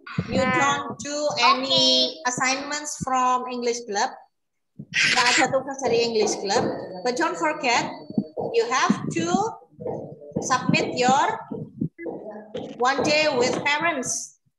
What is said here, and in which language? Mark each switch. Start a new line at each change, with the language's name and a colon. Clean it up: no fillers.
English: You don't do any assignments from English club.
Indonesian: Enggak ada tugas dari English club.
English: But don't forget, you have to submit your one day with parents.